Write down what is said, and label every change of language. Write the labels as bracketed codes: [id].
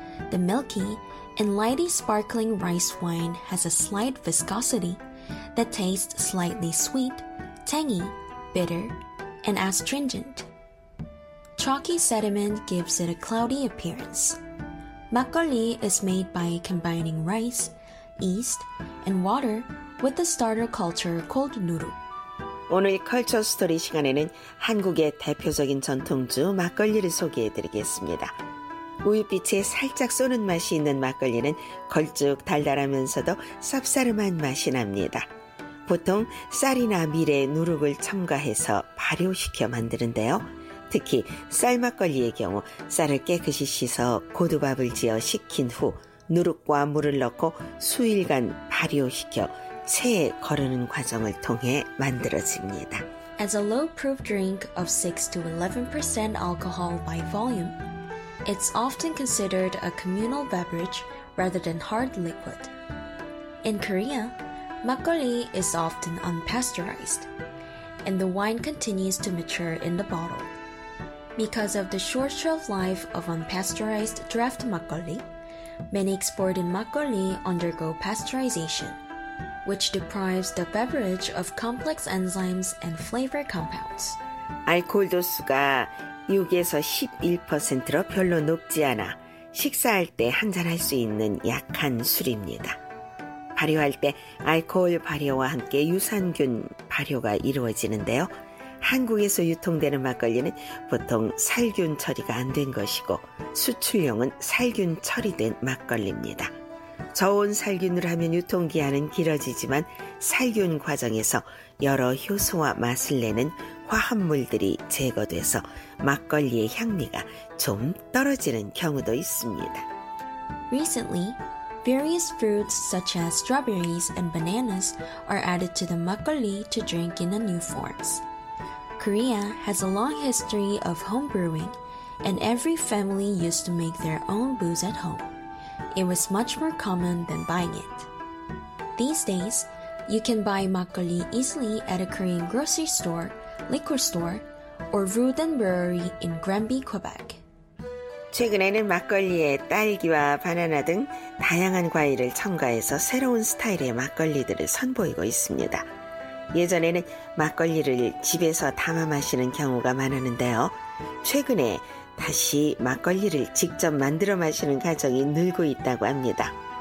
[en] The milky and lightly sparkling rice wine has a slight viscosity that tastes slightly sweet, tangy, bitter, and astringent. Chalky sediment gives it a cloudy appearance. Makgeolli is made by combining rice, yeast, and water with the starter culture called nuru. [ko] 오늘 컬처 스토리 시간에는 한국의 대표적인 전통주 막걸리를 소개해드리겠습니다. 우윳빛에 살짝 쏘는 맛이 있는 막걸리는 걸쭉 달달하면서도 쌉싸름한 맛이 납니다. 보통 쌀이나 밀에 누룩을 첨가해서 발효시켜 만드는데요. 특히 쌀 막걸리의 경우 쌀을 깨끗이 씻어 고두밥을 지어 식힌 후 누룩과 물을 넣고 수일간 발효시켜 체에 거르는 과정을 통해 만들어집니다. [en] As a low-proof drink of 6 to 11% alcohol by volume, it's often considered a communal beverage rather than hard liquid. In Korea, makgeolli is often unpasteurized, and the wine continues to mature in the bottle. Because of the short shelf life of unpasteurized draft makgeolli, many exported makgeolli undergo pasteurization, which deprives the beverage of complex enzymes and flavor compounds. [ko] 알코올 도수가 6에서 11%로 별로 높지 않아 식사할 때 한잔할 수 있는 약한 술입니다. 발효할 때 알코올 발효와 함께 유산균 발효가 이루어지는데요. 한국에서 유통되는 막걸리는 보통 살균 처리가 안 된 것이고 수출용은 살균 처리된 막걸리입니다. 저온 살균을 하면 유통기한은 길어지지만 살균 과정에서 여러 효소와 맛을 내는 화합물들이 제거돼서 막걸리의 향미가 좀 떨어지는 경우도 있습니다. [en] Recently, various fruits such as strawberries and bananas are added to the makgeolli to drink in the new forms. Korea has a long history of home brewing and every family used to make their own booze at home. It was much more common than buying it. These days, you can buy makgeolli easily at a Korean grocery store, liquor store, or Ruden Brewery in Granby, Quebec. [ko] 최근에는 막걸리에 딸기와 바나나 등 다양한 과일을 첨가해서 새로운 스타일의 막걸리들을 선보이고 있습니다. 예전에는 막걸리를 집에서 담아 마시는 경우가 많았는데요. 최근에 다시 막걸리를 직접 만들어 마시는 가정이 늘고 있다고 합니다.